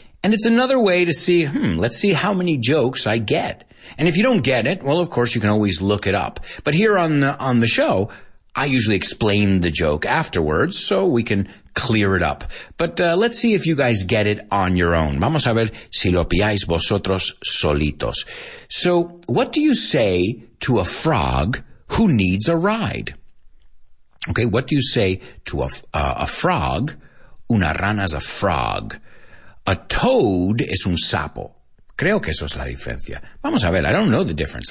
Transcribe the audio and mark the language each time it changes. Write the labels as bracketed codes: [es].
[en] And it's another way to see, let's see how many jokes I get. And if you don't get it, well, of course, you can always look it up. But here on the show, I usually explain the joke afterwards so we can clear it up. But let's see if you guys get it on your own. [es] Vamos a ver si lo pilláis vosotros solitos. [en] So, what do you say to a frog who needs a ride? Okay, what do you say to a frog? Una rana is a frog. A toad is [es] un sapo. Creo que eso es la diferencia. Vamos a ver, [en] I don't know the difference.